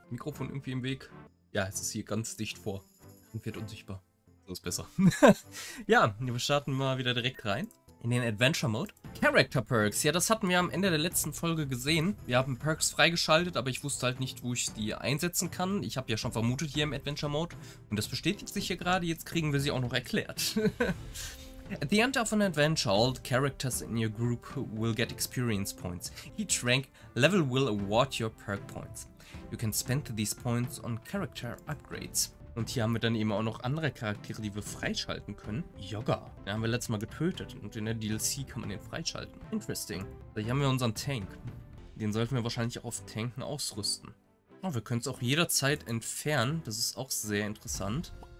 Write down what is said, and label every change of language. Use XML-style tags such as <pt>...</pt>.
<de>Mikrofon irgendwie im Weg. Ja, es ist hier ganz dicht vor und wird unsichtbar. So ist besser. Ja, wir starten mal wieder direkt rein in den Adventure Mode. Character Perks. Ja, das hatten wir am Ende der letzten Folge gesehen. Wir haben Perks freigeschaltet, aber ich wusste halt nicht, wo ich die einsetzen kann. Ich habe ja schon vermutet hier im Adventure Mode. Und das bestätigt sich hier gerade. Jetzt kriegen wir sie auch noch erklärt.</de> <en>At the end of an adventure, all the characters in your group will get experience points. Each rank level will award your perk points. You can spend these points on character upgrades.</en> <de>Und hier haben wir dann eben auch noch andere Charaktere, die wir freischalten können. Yoga. Den haben wir letztes Mal getötet. Und in der DLC kann man den freischalten. Interesting. Hier haben wir unseren Tank. Den sollten wir wahrscheinlich auch auf Tanken ausrüsten. Oh, wir können es auch jederzeit entfernen. Das ist auch sehr interessant.</de>